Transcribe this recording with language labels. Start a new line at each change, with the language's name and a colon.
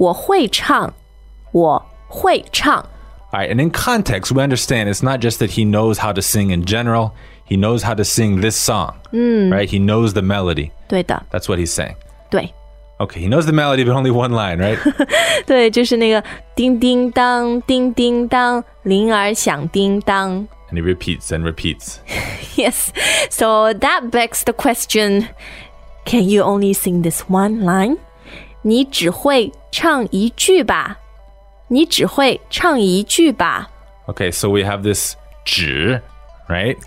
Chinese: 对,我会唱,我会唱.
English: All right, and in context, we understand it's not just that he knows how to sing in general, he knows how to sing this song, right? He knows the melody.
Chinese: 对的.
English: That's what he's saying.
Chinese: 对.
English: Okay, he knows the melody, but only one line, right?
Chinese: 对,就是那个叮叮当,叮叮当,铃儿响叮当.
English: And he repeats and repeats. Yes. So that begs the question, can you only sing this one line?
Chinese: 你只会唱一句吧?你只会唱一句吧?
English: Okay, so we have this 只, right?